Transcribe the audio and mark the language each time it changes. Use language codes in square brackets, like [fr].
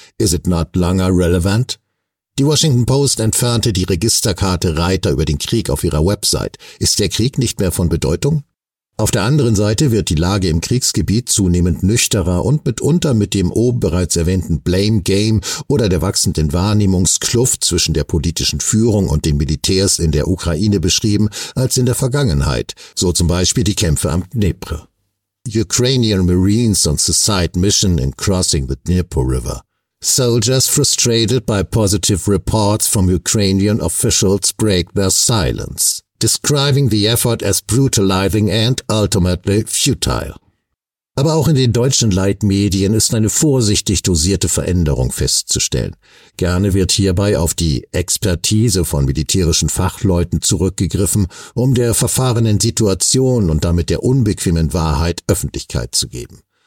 [en] Is it not longer relevant? [de] Die Washington Post entfernte die Registerkarte Reiter über den Krieg auf ihrer Website. Ist der Krieg nicht mehr von Bedeutung? Auf der anderen Seite wird die Lage im Kriegsgebiet zunehmend nüchterer und mitunter mit dem oben bereits erwähnten Blame Game oder der wachsenden Wahrnehmungskluft zwischen der politischen Führung und den Militärs in der Ukraine beschrieben als in der Vergangenheit, so zum Beispiel die Kämpfe am Dnepr. [en] Ukrainian Marines on suicide mission in crossing the Dnieper River. Soldiers frustrated by positive reports from Ukrainian officials break their silence. Describing the effort as brutalizing and ultimately futile. [de] Aber auch in den deutschen Leitmedien ist eine vorsichtig dosierte Veränderung festzustellen. Gerne wird hierbei auf die Expertise von militärischen Fachleuten zurückgegriffen, um der verfahrenen Situation und damit der unbequemen Wahrheit Öffentlichkeit zu geben.